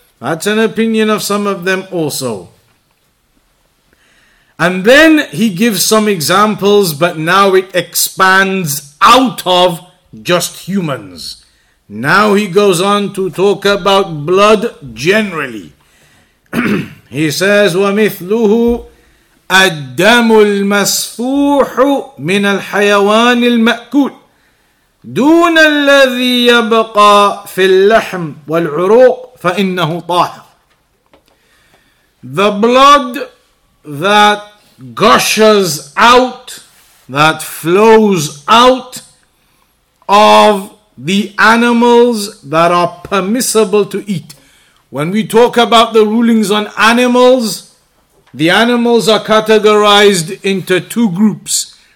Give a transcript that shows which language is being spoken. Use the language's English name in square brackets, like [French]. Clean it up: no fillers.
[English] That's an opinion of some of them also. And then he gives some examples, but now it expands out of just humans. Now he goes on to talk about blood generally. He says, [Arabic] ومثله الدم المسفوح من الحيوان المأكول دون الذي يبقى في اللحم والعروق فإنه طاهر. [English] The blood that gushes out, that flows out of the animals that are permissible to eat. When we talk about the rulings on animals, the animals are categorized into two groups.